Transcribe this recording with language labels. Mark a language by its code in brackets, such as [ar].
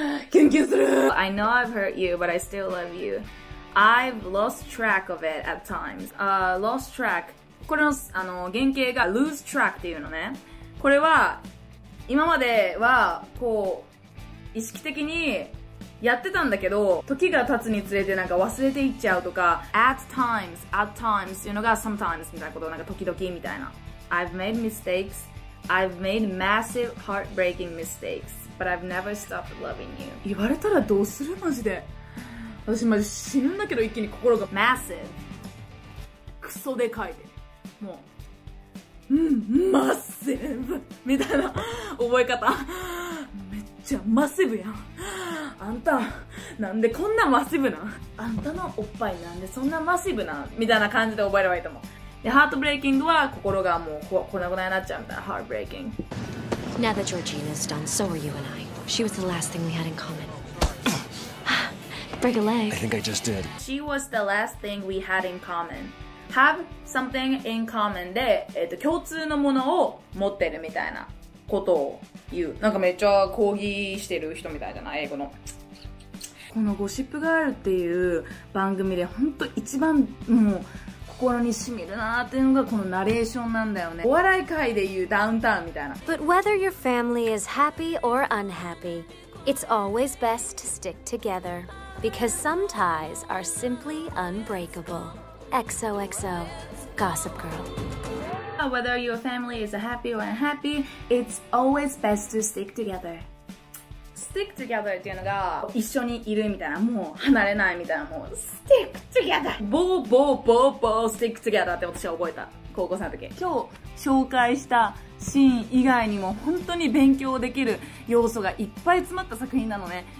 [ja] キュンキュンする。 [en] I know I've hurt you, but I still love you. I've lost track of it at times. Lost track. [ja] これの、原型が [en] lose track [ja] っていうのね。これは、今までは、こう、意識的にやってたんだけど、時が経つにつれてなんか忘れていっちゃうとか、 [en] at times [ja] っていうのが sometimes みたいなこと、なんか時々みたいな。 [en] I've made mistakes. I've made massive heartbreaking mistakes. But I've never stopped loving you. [ja] 言われたらどうするマジで。私マジ死ぬんだけど一気に心が。 [en] Massive. [ja] クソでかいで。もう。Massive. みたいな覚え方。めっちゃ Massive やん。あんた、なんでこんな Massive なん? あんたのおっぱいなんでそんな Massive なん?みたいな感じで覚えればいいと思う。で、Heartbreaking は心がもう粉々になっちゃうみたいな。 [en] Heartbreaking. Now that Georgina's done, so are you and I. She was the last thing we had in common. Break a leg. I think I just did. She was the last thing we had in common. Have something in common [ja] で、共通のものを持ってるみたいなことを言う。なんかめっちゃ抗議してる人みたいじゃない?英語の。このゴシップガールっていう番組で本当一番もう心に染みるなーっていうのがこのナレーションなんだよね。お笑い界で言うダウンタウンみたいな。 [en] But whether your family is happy or unhappy, it's always best to stick together. Because some ties are simply unbreakable. XOXO, Gossip Girl. Whether your family is happy or unhappy, it's always best to stick together. Stick together [ja] っていうのが一緒にいるみたいな、もう離れないみたいな、もう Stick together! ボーボーボーボー Stick together って私は覚えた。高校生の時。今日紹介したシーン以外にも本当に勉強できる要素がいっぱい詰まった作品なのね。